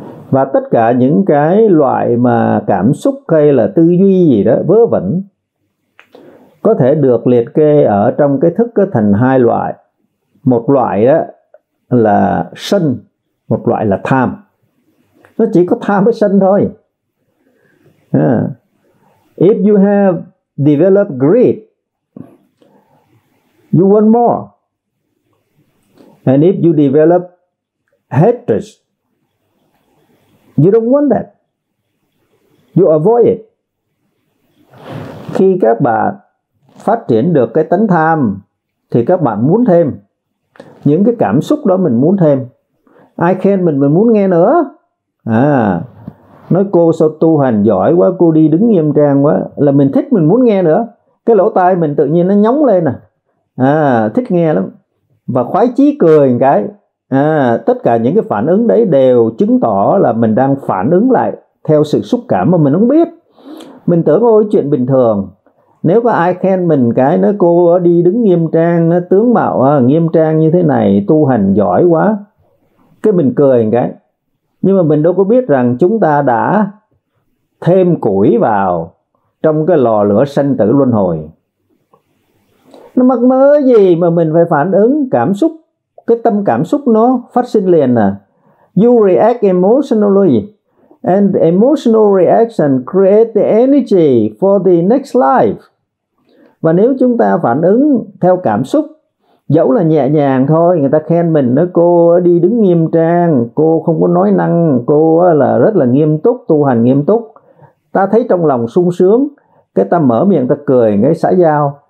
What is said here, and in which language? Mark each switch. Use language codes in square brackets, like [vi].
[vi] Và tất cả những cái loại mà cảm xúc hay là tư duy gì đó vớ vẩn có thể được liệt kê ở trong cái thức thành hai loại. Một loại đó là sân, một loại là tham. Nó chỉ có tham với sân thôi. [en] If you have developed greed, you want more. And if you develop hatred, you don't want that. You avoid it. [vi] Khi các bạn phát triển được cái tánh tham thì các bạn muốn thêm. Những cái cảm xúc đó mình muốn thêm. Ai khen mình muốn nghe nữa. À, nói cô sao tu hành giỏi quá, cô đi đứng nghiêm trang quá, là mình thích, mình muốn nghe nữa. Cái lỗ tai mình tự nhiên nó nhóng lên nè. À, thích nghe lắm. Và khoái chí cười một cái. À, tất cả những cái phản ứng đấy đều chứng tỏ là mình đang phản ứng lại theo sự xúc cảm mà mình không biết. Mình tưởng ôi chuyện bình thường. Nếu có ai khen mình cái, nói cô đi đứng nghiêm trang, tướng mạo nghiêm trang như thế này, tu hành giỏi quá, cái mình cười một cái. Nhưng mà mình đâu có biết rằng chúng ta đã thêm củi vào trong cái lò lửa sanh tử luân hồi. Nó mắc mớ gì mà mình phải phản ứng cảm xúc, cái tâm cảm xúc nó phát sinh liền à. [en] You react emotionally and emotional reaction create the energy for the next life. [vi] Và nếu chúng ta phản ứng theo cảm xúc, dẫu là nhẹ nhàng thôi, người ta khen mình nói cô đi đứng nghiêm trang, cô không có nói năng, cô là rất là nghiêm túc, tu hành nghiêm túc, ta thấy trong lòng sung sướng, cái ta mở miệng ta cười ngay xã giao.